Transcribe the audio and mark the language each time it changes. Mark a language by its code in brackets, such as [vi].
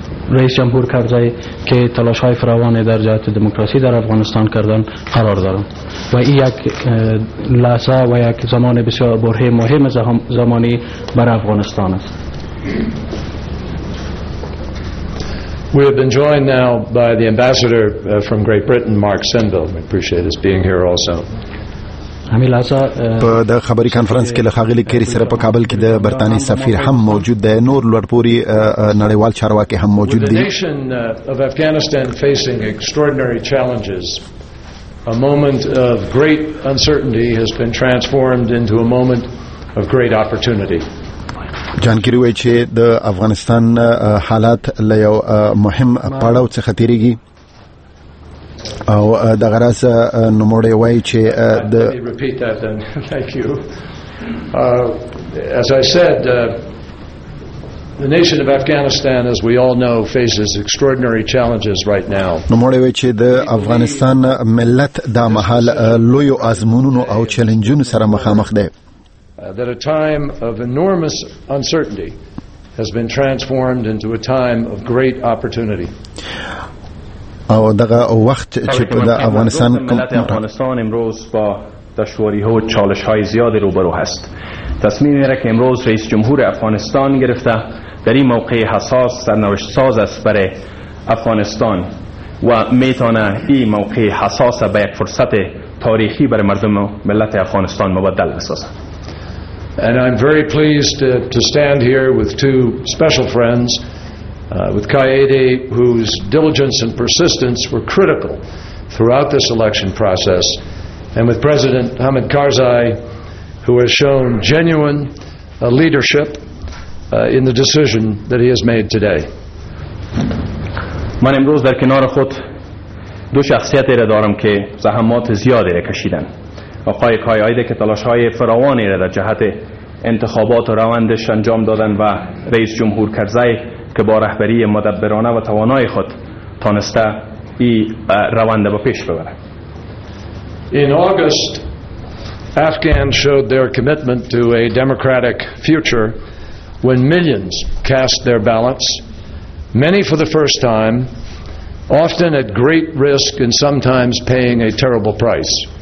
[fa] رئیس جمهور کرزی که تلاش های فراوانی در جهت دموکراسی در افغانستان کردن قرار دارم و این یک لحظه و یک زمان بسیار بره مهم زمانی بر افغانستان است. [en] We have been joined now by the ambassador from Great Britain, Mark Senville. We appreciate his being here also. [fa] همی لحظه [ps] په د خبری کانفرنس کې له ښاغلي کیری سره په کابل کې د برتانی سفیر هم موجود دی. نور لوړپوري نړیوال چارواکي هم موجود دي. [en] The nation of Afghanistan facing extraordinary challenges. A moment of great uncertainty has been transformed into a moment of great opportunity. [ps] جان کیری وی چې د افغانستان حالات له یو مهم پړاو څخه تیریږي او د غراس نوموړی وی چې د [en] As I said, the nation of Afghanistan, as we all know, faces extraordinary challenges right now. [ps] نو موړی وی چې د افغانستان ملت دا مهال لوی آزمونونو او چیلنجونو سره مخامخ دی. [en] That a time of enormous uncertainty has been transformed into a time of great opportunity. [ps] او دغه وخت چې په افغانستان [fa] ملت افغانستان امروز با دشواری ها و چالش های زیادی روبرو هست. تصمیمی را که امروز رئیس جمهور افغانستان گرفته در این موقع حساس سرنوشت ساز است برای افغانستان و میتونه این موقع حساس به یک فرصت تاریخی برای مردم ملت افغانستان مبدل بسازد. [en] And I'm very pleased to stand here with two special friends, with Kaede, whose diligence and persistence were critical throughout this election process, and with President Hamid Karzai, who has shown genuine leadership in the decision that he has made today. [fa] من امروز در کنار خود دو شخصیتی را دارم که زحمات زیادی را کشیدند. آقای کایایده که تلاش‌های فراوانی را در جهت انتخابات و روندش انجام دادند و رئیس جمهور کرزی که با رهبری مدبرانه و توانای خود تانسته این روند را پیش ببرد. [en] In August, Afghans showed their commitment to a democratic future when millions cast their ballots, many for the first time, often at great risk and sometimes paying a terrible price.